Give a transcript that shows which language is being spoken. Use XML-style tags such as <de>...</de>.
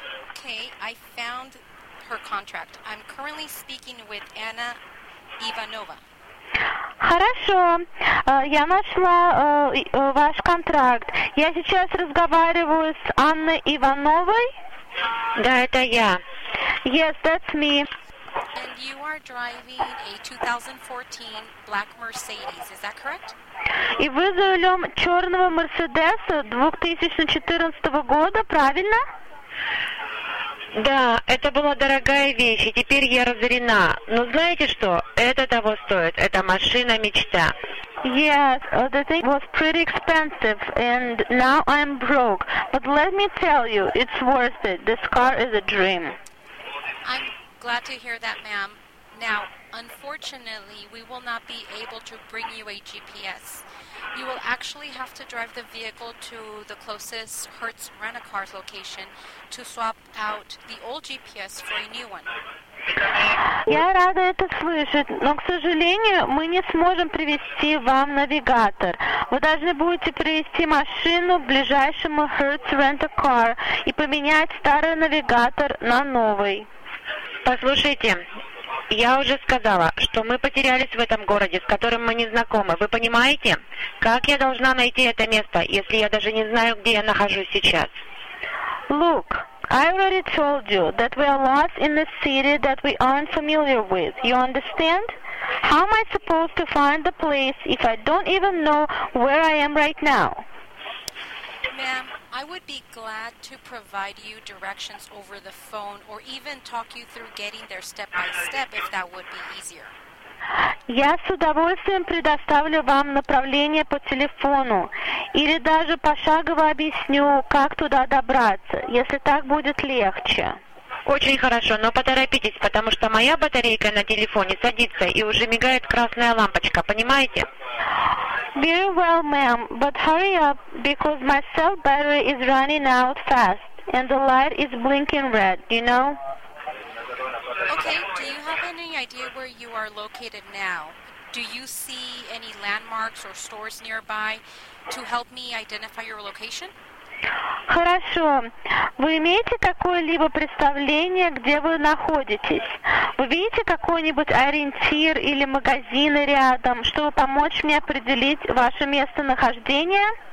<en>Okay, I found her contract. I'm currently speaking with Anna Иванова.</en> <ru>Хорошо, я нашла ваш контракт. Я сейчас разговариваю с Анной Ивановой. Да, это я.</ru> <en>Yes, that's me. And you are driving a 2014 black Mercedes, is that correct?</en> <ru>И вы за рулем черного Мерседеса 2014 года, правильно? Да, это была дорогая вещь, и теперь я разорена. Но знаете что? Это того стоит. Это машина мечта.</ru> <en>Yes, the thing was pretty expensive, and now I'm broke. But let me tell you, it's worth it. This car is a dream. I'm glad to hear that, ma'am. Now, unfortunately, we will not be able to bring you a GPS. You will actually have to drive the vehicle to the closest Hertz Rent-A-Car location to swap out the old GPS for a new one.</en> <ru>Я рада это слышать, но, к сожалению, мы не сможем привести вам навигатор. Вы должны будете привести машину к ближайшему Hertz Rent-A-Car и поменять старый навигатор на новый. Послушайте, я уже сказала, что мы потерялись в этом городе, с которым мы не знакомы. Вы понимаете, как я должна найти это место, если я даже не знаю, где я нахожусь сейчас?</ru> <en>Look, I already told you that we are lost in this city that we aren't familiar with. You understand? How am I supposed to find the place if I don't even know where I am right now? Ma'am, I would be glad to provide you directions over the phone or even talk you through getting there step by step if that would be easier.</en> <ru>Я с удовольствием предоставлю вам направление по телефону или даже пошагово объясню, как туда добраться, если так будет легче. Очень хорошо, но поторопитесь, потому что моя батарейка на телефоне садится и уже мигает красная лампочка, понимаете?</ru> <en>Very well, ma'am, but hurry up, because my cell battery is running out fast, and the light is blinking red, you know? Okay, do you have any idea where you are located now? Do you see any landmarks or stores nearby to help me identify your location?</en> <ru>Хорошо. Вы имеете какое-либо представление, где вы находитесь? Вы видите какой-нибудь ориентир или магазины рядом, чтобы помочь мне определить ваше местонахождение?</ru>